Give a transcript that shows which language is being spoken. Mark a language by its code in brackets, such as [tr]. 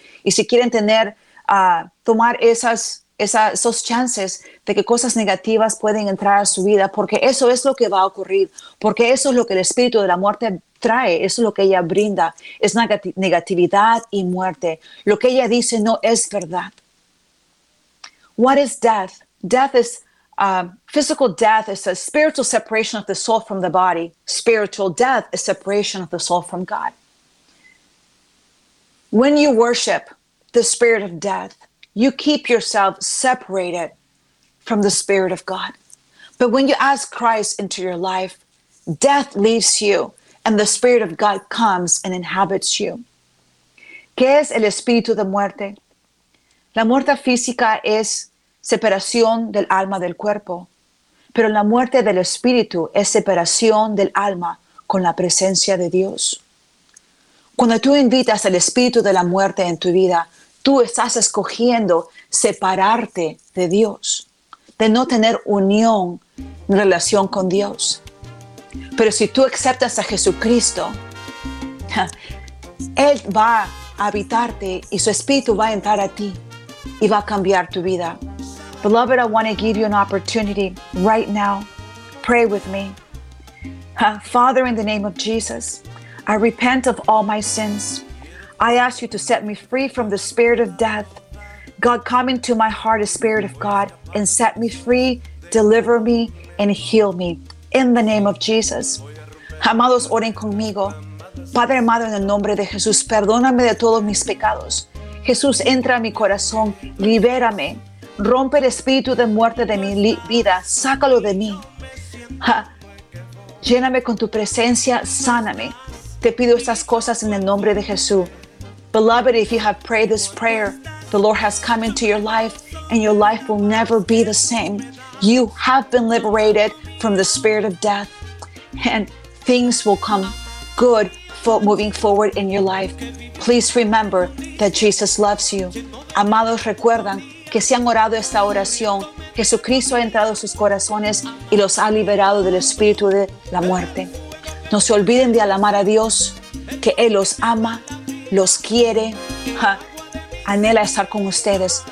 [es] Y si quieren tener, tomar esos chances de que cosas negativas pueden entrar a su vida, porque eso es lo que va a ocurrir, porque eso es lo que el espíritu de la muerte trae, eso es lo que ella brinda, es negatividad y muerte. Lo que ella dice no es verdad. [en] What is death? Death is physical death is a spiritual separation of the soul from the body. Spiritual death is separation of the soul from God. When you worship the spirit of death, you keep yourself separated from the spirit of God. But when you ask Christ into your life, death leaves you and the spirit of God comes and inhabits you. [es] ¿Qué es el espíritu de muerte? La muerte física es separación del alma del cuerpo. Pero la muerte del espíritu es separación del alma con la presencia de Dios. Cuando tú invitas al espíritu de la muerte en tu vida, tú estás escogiendo separarte de Dios, de no tener unión en relación con Dios. Pero si tú aceptas a Jesucristo, Él va a habitarte y su espíritu va a entrar a ti y va a cambiar tu vida. [en] Beloved, I want to give you an opportunity right now. Pray with me. Father, in the name of Jesus, I repent of all my sins. I ask you to set me free from the spirit of death. God, come into my heart as Spirit of God and set me free, deliver me, and heal me. In the name of Jesus. [es] Amados, oren conmigo. Padre amado, en el nombre de Jesús, perdóname de todos mis pecados. Jesús, entra a mi corazón, libérame. Rompe el espíritu de muerte de mi vida, sácalo de mí. Lléname con tu presencia, sáname. Te pido estas cosas en el nombre de Jesús. [en] Beloved, if you have prayed this prayer, the Lord has come into your life and your life will never be the same. You have been liberated from the spirit of death and things will come good for moving forward in your life. Please remember that Jesus loves you. [es] Amados, recuerdan que si han orado esta oración, Jesucristo ha entrado en sus corazones y los ha liberado del espíritu de la muerte. No se olviden de alabar a Dios, que Él los ama, los quiere, anhela estar con ustedes.